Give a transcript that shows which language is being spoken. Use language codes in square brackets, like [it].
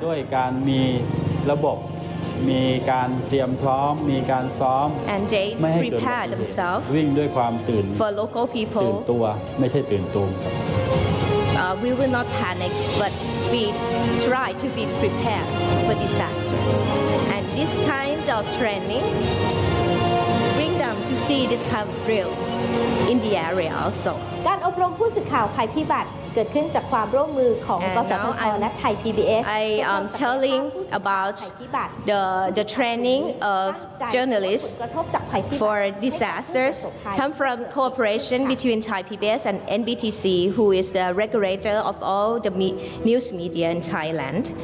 [en] And they prepare themselves for local people. We will not panic, but we try to be prepared. For disaster, and this kind of training bring them to see this kind of drill in the area also. [th] การอบรมผู้สื่อข่าวภัยพิบัติเกิดขึ้นจากความร่วมมือของกสทช. และไทย PBS. [en] I am telling about the training of journalists for disasters come from cooperation between Thai PBS and NBTC, who is the regulator of all the news media in Thailand.